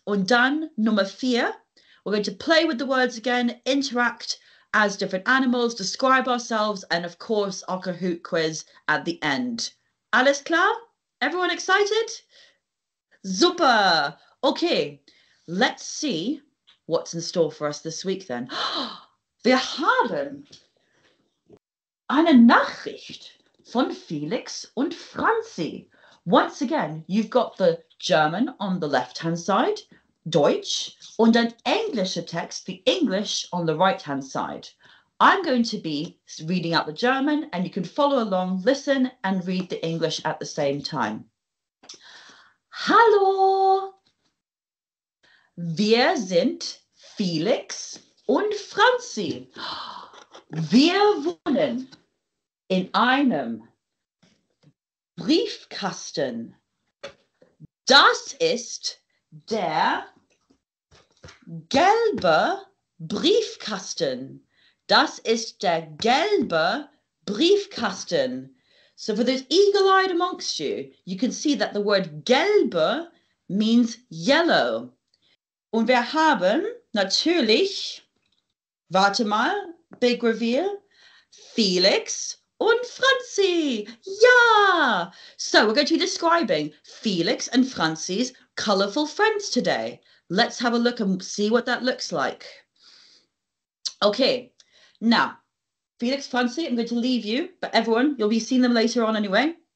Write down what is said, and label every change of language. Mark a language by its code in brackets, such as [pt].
[de] Und dann, Nummer vier, [en] we're going to play with the words again, interact as different animals, describe ourselves, and of course, our Kahoot quiz at the end. [de] Alles klar? [en] Everyone excited? Super! Okay, let's see what's in store for us this week then. [de] Wir haben eine Nachricht von Felix und Franzi. [en] Once again, you've got the German on the left-hand side, [de] Deutsch, und ein englischer Text, [en] the English, on the right-hand side. I'm going to be reading out the German and you can follow along, listen and read the English at the same time. [de] Hallo! Wir sind Felix und Franzi. Wir wohnen in einem Briefkasten. Das ist der gelbe Briefkasten. Das ist der gelbe Briefkasten. [en] So for those eagle-eyed amongst you, you can see that the word gelbe means yellow. [de] Und wir haben natürlich, warte mal, [en] big reveal, [de] Felix und Franzi. Ja! [en] So we're going to be describing Felix and Franzi's colourful friends today. Let's have a look and see what that looks like. Okay, now, Felix, Franzi, I'm going to leave you, but everyone, you'll be seeing them later on anyway.